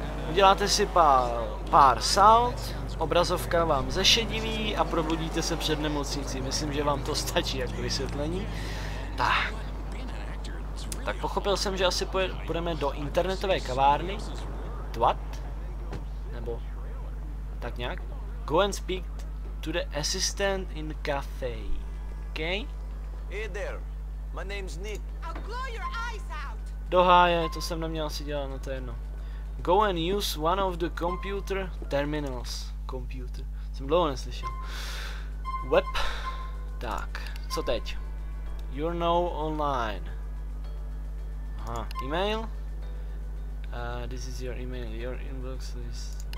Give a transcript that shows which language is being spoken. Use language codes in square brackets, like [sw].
[cs] Uděláte si pár salt, obrazovka vám zešediví a probudíte se před nemocnicí. Myslím, že vám to stačí jako vysvětlení. Tak pochopil jsem, že asi půjdeme do internetové kavárny. Twat? Nebo tak nějak? [en] Go and speak to the assistant in the cafe. Okay? Hey there, my name's Nick. I'll blow your eyes out. [cs] Do háje, to jsem neměl si dělat, no to je jedno. [en] Go and use one of the computer terminals. [cs] Computer. Jsem dlouho neslyšel. Web. Tak, co teď? [en] You're now online. Aha, email. This is your email, your inbox list.